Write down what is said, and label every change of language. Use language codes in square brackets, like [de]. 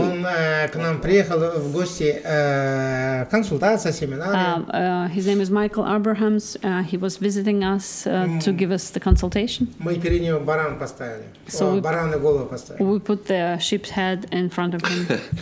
[ru] Он к нам приехал в гости, консультация, семинар. [en] His name is Michael Abrahams. He was visiting us to give us the consultation. [ru] Мы перед ним баран поставили. So бараны голову поставили. [en] We put the sheep's head in front of him.